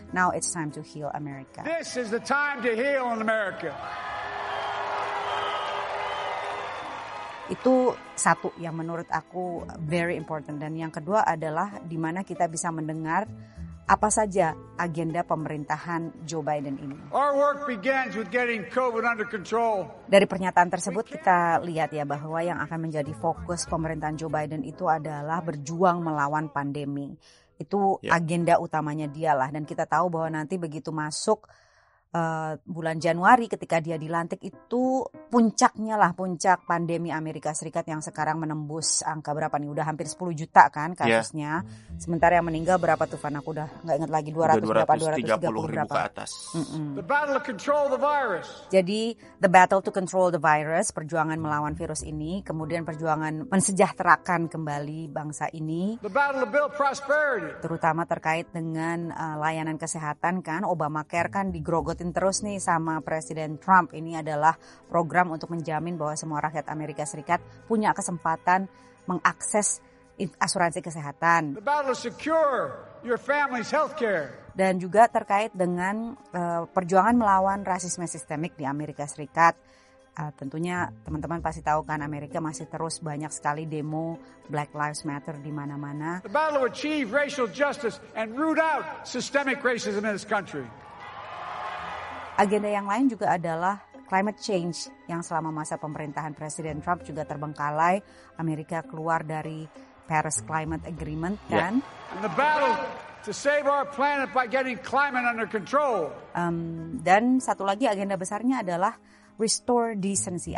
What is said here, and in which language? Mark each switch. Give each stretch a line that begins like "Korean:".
English: Now it's time to heal America. This is the time to heal in America.
Indonesian: Itu satu yang menurut aku
English: very important.
Indonesian: Dan yang kedua adalah di mana kita bisa mendengar apa saja agenda pemerintahan Joe Biden ini.
English: Our work begins with getting COVID under control.
Indonesian: Dari pernyataan tersebut kita lihat ya bahwa yang akan menjadi fokus pemerintahan Joe Biden itu adalah berjuang melawan pandemi. Itu agenda utamanya dialah. Dan kita tahu bahwa nanti begitu masuk bulan Januari ketika dia dilantik, itu puncaknya lah, puncak pandemi Amerika Serikat yang sekarang menembus angka berapa nih, udah hampir 10 juta kan kasusnya. Sementara yang meninggal berapa tuh Van, aku udah gak inget lagi, 230 ribu ke atas.
English: The battle to control the virus.
Indonesian: Jadi
English: the battle to control the virus,
Indonesian: perjuangan melawan virus ini, kemudian perjuangan mensejahterakan kembali bangsa ini,
English: the battle to build prosperity,
Indonesian: terutama terkait dengan layanan kesehatan kan. Obamacare kan digrogot terus nih sama Presiden Trump. Ini adalah program untuk menjamin bahwa semua rakyat Amerika Serikat punya kesempatan mengakses asuransi kesehatan.
English: The battle to secure your family's healthcare.
Indonesian: Dan juga terkait dengan perjuangan melawan rasisme sistemik di Amerika Serikat. Tentunya teman-teman pasti tahu kan, Amerika masih terus banyak sekali demo Black Lives Matter di mana-mana.
English: The battle to achieve racial justice and root out systemic racism in this country.
Indonesian: Agenda yang lain juga adalah climate change yang selama masa pemerintahan Presiden Trump juga terbengkalai. Amerika keluar dari Paris Climate Agreement kan.
English: And the battle to save our planet by getting climate under control.
Indonesian: Dan satu lagi agenda besarnya adalah
English: restore decency.